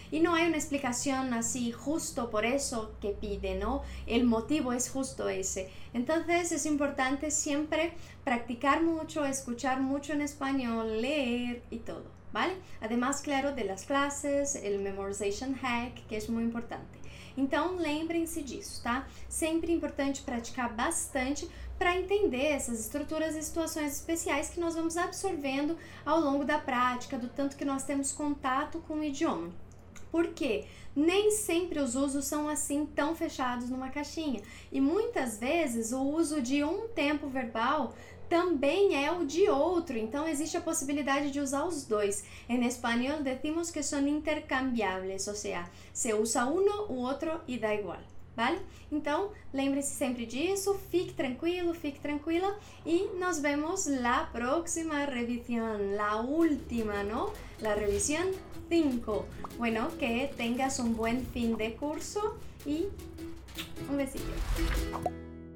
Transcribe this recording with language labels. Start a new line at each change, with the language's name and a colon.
Spanish: Y no hay una explicación así justo por eso que pide, ¿no? El motivo es justo ese. Entonces, es importante siempre practicar mucho, escuchar mucho en español, leer y todo, ¿vale? Además, claro, de las clases, el memorization hack, que es muy importante.
Portuguese: Então, lembrem-se disso, tá? Sempre importante praticar bastante para entender essas estruturas e situações especiais que nós vamos absorvendo ao longo da prática, do tanto que nós temos contato com o idioma. Por quê? Nem sempre os usos são assim tão fechados numa caixinha. E muitas vezes o uso de um tempo verbal também é o de outro, então existe a possibilidade de usar os dois. Em espanhol,
Spanish: decimos que son intercambiables,
Portuguese: ou seja, se usa uno, o outro e dá igual, vale? Então, lembre-se sempre disso, fique tranquilo, fique tranquila e
Spanish: nos vemos la próxima revisión, la última, ¿no? La revisión 5. Bueno, que tengas un buen fin de curso y un besito.